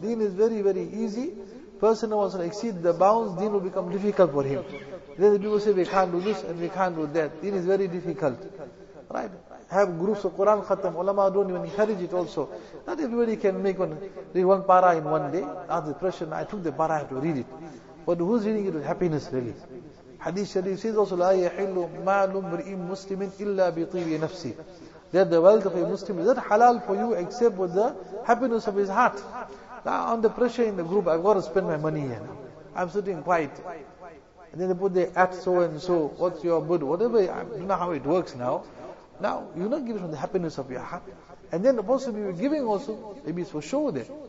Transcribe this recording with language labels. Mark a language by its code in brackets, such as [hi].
[en] Deen is very, very easy. Person wants to exceed the bounds, deen will become difficult for him. Then the people say, we can't do this and we can't do that. Deen is very difficult. Right? Have groups of Quran khatam, ulama don't even encourage it also. Not everybody can make one, read one para in one day. Ask the pressure, I took the para, I have to read it. But who's reading it with happiness really? Hadith Sharif says also, [ar] لا يحل مال امرئ مسلم إلا بطيب نفسه. [en] That the wealth of a Muslim, is that halal for you except with the happiness of his heart? Now under pressure in the group, I've got to spend my money here now. I'm sitting quiet. And then they put the at so and so, what's your bud, whatever, I don't know how it works now. Now, you're not giving from the happiness of your heart. And then possibly you're giving also, maybe it's for show there.